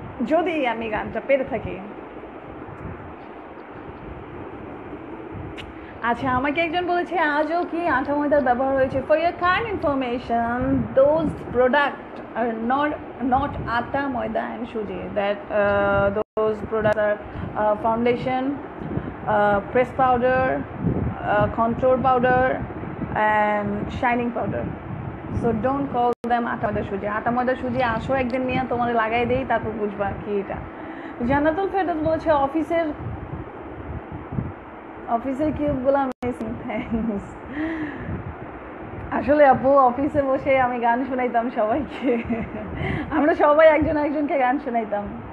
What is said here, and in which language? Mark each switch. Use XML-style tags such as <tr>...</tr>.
<bn>যদি আমি গানটা পেরে থাকি। আচ্ছা, আমাকে একজন বলেছে আজও কি আঠা ময়দার ব্যবহার হয়েছে।</bn> <en>For your kind information those product not Ata, Moida and Shuji. That those products are foundation, pressed powder, contour powder and shining powder. So don't call them Ata, Moida, Shuji.</en> <bn>Ata, Moida, Shuji, asho ek din niya, tomare lagai dehi, tarpor bujhba ki eta. Jannatul Firdaus boleche অফিসের কিউবগুলো amazing thanks. আসলে আপু অফিসে বসে আমি গান শোনাইতাম সবাইকে, আমরা সবাই একজন একজনকে গান শোনাইতাম।</bn>